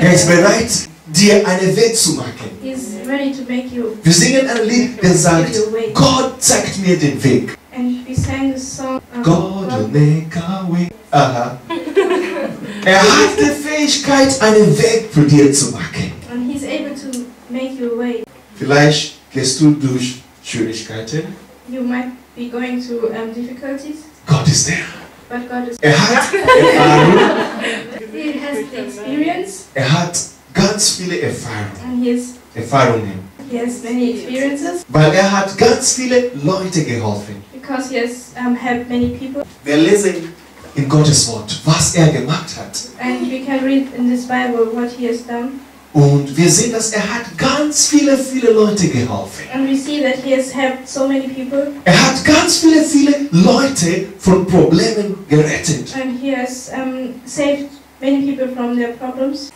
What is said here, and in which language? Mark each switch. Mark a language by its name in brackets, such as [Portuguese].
[German] Er ist bereit, dir eine Welt zu machen. [English] He's ready to make you. [German] Wir singen ein Lied, der sagt, Gott zeigt mir den Weg. [English] And we sang the song. God will make a way. Aha. [German] Er hat die Fähigkeit, einen Weg für dir zu machen. [English] And he's able to make you a way. [German] Vielleicht gehst du durch Schwierigkeiten. [English] You might be going to difficulties. God is there. But God is. [German] Er hat Erfahrung. [English] He has the experience. [German] Er hat ganz viele Erfahrungen. [English] He has many experiences. [German] Weil er hat ganz viele Leute geholfen. [English] Because he has helped many people. [German] Wir lesen in Gottes Wort, was er gemacht hat. [English] And we can read in this Bible what he has done. [German] Und wir sehen, dass er hat ganz viele, viele Leute geholfen. [English] And we see that he has helped so many people. [German] Er hat ganz viele, viele Leute von Problemen gerettet. [English] And he has saved many people from their problems.